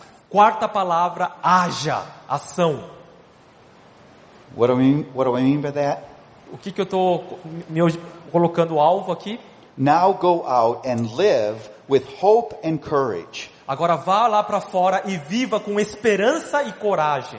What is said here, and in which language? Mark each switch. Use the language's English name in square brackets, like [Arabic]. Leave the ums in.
[Portuguese] Quarta palavra, haja, ação. [English] What do I mean, what do I mean by that? [Portuguese] O que que eu estou me colocando alvo aqui? [English] Now go out and live with hope and courage. [Portuguese] Agora vá lá para fora e viva com esperança e coragem.